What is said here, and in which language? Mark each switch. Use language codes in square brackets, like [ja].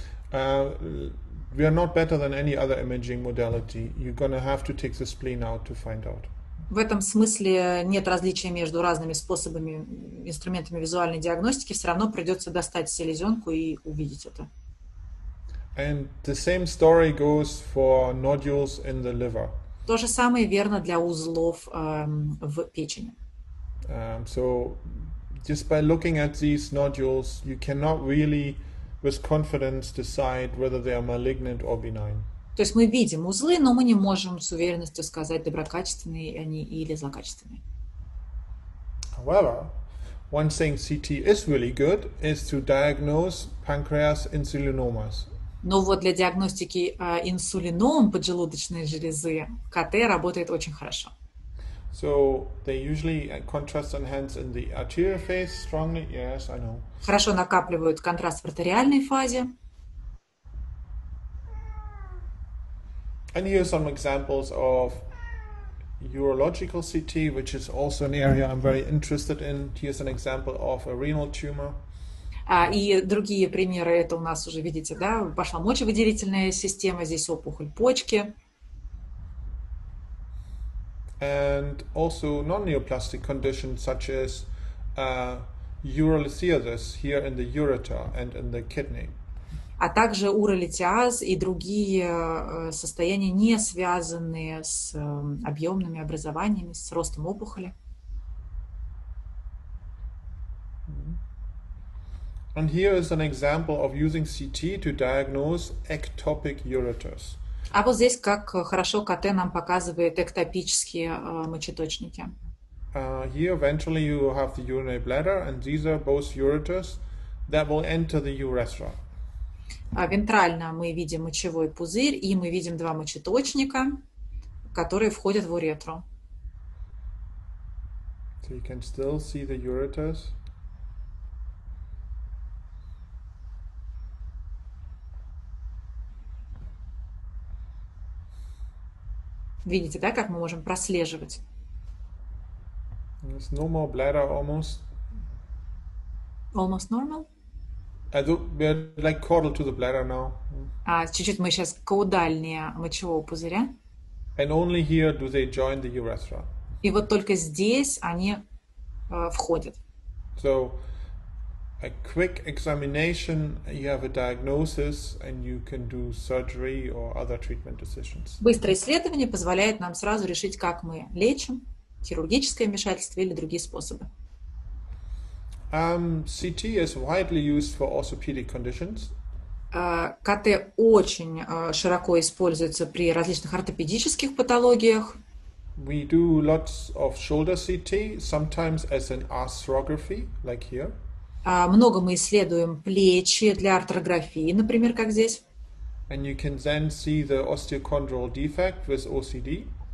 [en] We are not better than any other imaging modality. You're going to have to take the spleen out to find out. [ru] В этом смысле нет различия между разными способами, инструментами визуальной диагностики. Все равно придется достать селезенку и увидеть это. [en] And the same story goes for nodules in the liver. [ru] То же самое верно для узлов в печени. [en] So just by looking at these nodules, you cannot really with confidence decide whether they are malignant or benign. [ru] То есть мы видим узлы, но мы не можем с уверенностью сказать, доброкачественные они или злокачественные. [en] However, one thing CT is really good is to diagnose pancreas insulinomas. [ru] Но вот для диагностики инсулином поджелудочной железы КТ работает очень хорошо. [en] So they usually contrast enhance in the arterial phase strongly. Yes, I know. [ru] Хорошо накапливают контраст в артериальной фазе. [en] And here are some examples of urological CT, which is also an area I'm very interested in. Here's an example of a renal tumor. [ru] И другие примеры, это у нас уже, видите, да, пошла мочевыделительная система, здесь опухоль почки. [en] And also non-neoplastic conditions such as urolithiasis here in the ureter and in the kidney. [ru] А также уролитиаз и другие состояния, не связанные с объемными образованиями, с ростом опухоли. [en] And here is an example of using CT to diagnose ectopic ureters. [ru] А вот здесь как хорошо КТ нам показывает эктопические мочеточники. [en] Here eventually you have the urinary bladder, and these are both ureters that will enter the urethra. [ru] Вентрально мы видим мочевой пузырь, и мы видим два мочеточника, которые входят в уретру. [en] So you can still see the ureters. [ru] Видите, да, как мы можем прослеживать? [en] It's normal bladder almost. Almost normal? We're like caudal to the bladder now. [ru] Чуть-чуть мы сейчас каудальнее мочевого пузыря. [en] And only here do they join the urethra. [ru] И вот только здесь они входят. [en] So a quick examination, you have a diagnosis, and you can do surgery or other treatment decisions. [ru] Быстрое исследование позволяет нам сразу решить, как мы лечим, хирургическое вмешательство или другие способы. [en] CT is widely used for orthopedic conditions. [ru] КТ очень широко используется при различных ортопедических патологиях. [en] We do lots of shoulder CT, sometimes as an arthrography, like here. [ru] Много мы исследуем плечи для артрографии, например, как здесь. [en] And you can then see the osteochondral defect with OCD.